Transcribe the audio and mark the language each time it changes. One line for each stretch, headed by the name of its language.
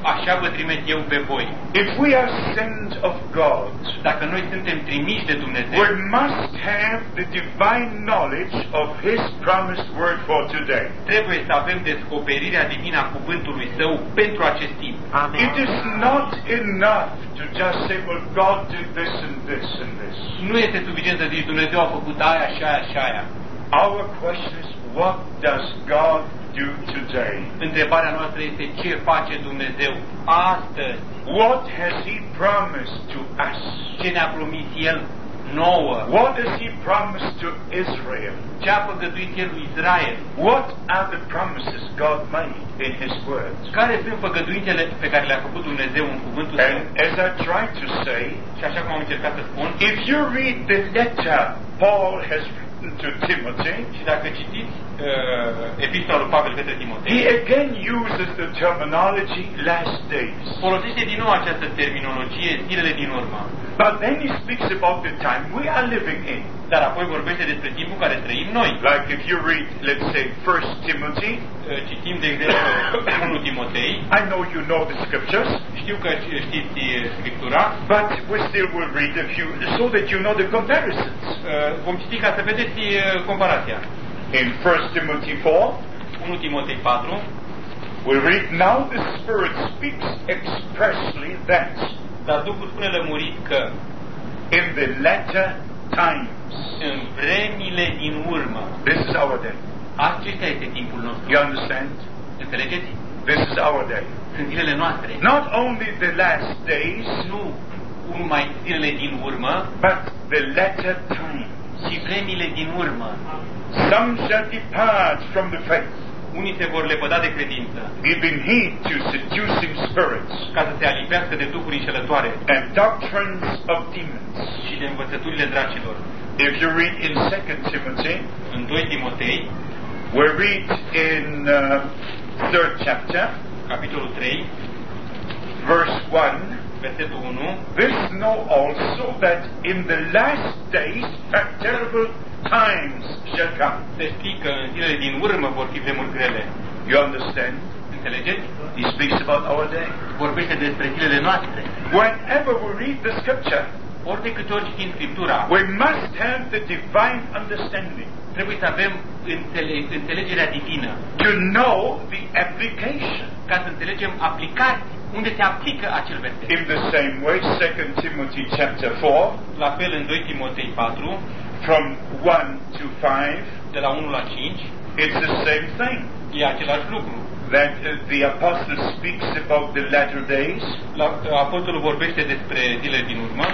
Romanian: Așa vă trimit eu pe voi.
English: If we are sent of God.
Romanian: Dacă noi suntem trimiși de Dumnezeu,
English: we must have the divine knowledge of His promised word for today.
Romanian: Trebuie să avem descoperirea divină a cuvântului Său pentru acest timp.
English: Amen. It is not enough to just say, well, God did this and this and this.
Romanian: Nu este suficient să zici Dumnezeu a făcut aia și aia și aia.
English: Our question is, what does God do today?
Romanian: Întrebarea noastră este ce face Dumnezeu astăzi?
English: What has He promised to us?
Romanian: Ce ne-a promis El nouă?
English: What has He promised to Israel?
Romanian: Ce a făgăduit El lui Israel?
English: What are the promises God made in His words?
Romanian: Care sunt făgăduințele pe care le-a făcut Dumnezeu în cuvântul Său?
English: And as I tried to say,
Romanian: și așa cum am încercat să spun,
English: if you read the letter Paul has written to Timothy,
Romanian: și dacă citiți epistola lui Pavel către Timotei.
English: He again uses the terminology last days.
Romanian: Folosește din nou această terminologie zilele din urmă.
English: But then he speaks about the time we are living in.
Romanian: Dar apoi vorbește despre timpul care trăim noi.
English: Like if you read, let's say, 1 Timothy.
Romanian: Citim de exemplu 1 Timotei.
English: I know you know the scriptures.
Romanian: Știu că știți Scriptura.
English: But we still will read a few so that you know the comparisons.
Romanian: Vom citi ca să vedeți comparația.
English: In 1 Timothy 4,
Romanian: 1 Timotei 4,
English: we read, now the Spirit speaks expressly that,
Romanian: dar Duhul spune lămurit că,
English: in the latter times,
Romanian: în vremile din urmă,
English: this is our day.
Romanian: Acesta este timpul nostru.
English: You understand?
Romanian: Înțelegeți?
English: This is our day.
Romanian: Sunt zilele noastre.
English: Not only the last days,
Romanian: nu numai zilele din urmă,
English: but the latter times.
Romanian: Și vremile din urmă.
English: Some shall depart from the faith.
Romanian: Unii se vor lepăda de credință.
English: Giving heed to seducing spirits.
Romanian: Ca să se alipească de duhuri înșelătoare.
English: And doctrines of demons.
Romanian: Și de învățăturile dracilor.
English: If you read in 2 Timothy,
Romanian: în 2 Timotei,
English: we read in 3rd chapter,
Romanian: capitolul 3,
English: verse 1,
Romanian: versetul 1.
English: This know also that in the last days that terrible times shall come.
Romanian: Se știe că în zilele din urmă vor fi vremuri grele.
English: You understand?
Romanian: Înțelegeți?
English: He speaks about our day.
Romanian: Vorbește despre zilele noastre.
English: Whenever we read the scripture,
Romanian: ori de câte ori citim Scriptura,
English: we must have the divine understanding.
Romanian: Trebuie să avem înțelegerea divină.
English: To know the application.
Romanian: Ca să înțelegem aplicat unde se aplică acel verset.
English: In the same way, 2 Timothy chapter 4,
Romanian: la fel în 2 Timotei 4,
English: from 1 to 5,
Romanian: de la 1 la 5,
English: it's the same thing.
Romanian: E același lucru.
English: That the apostle speaks about the latter days.
Romanian: Apostolul vorbește despre zilele din urmă.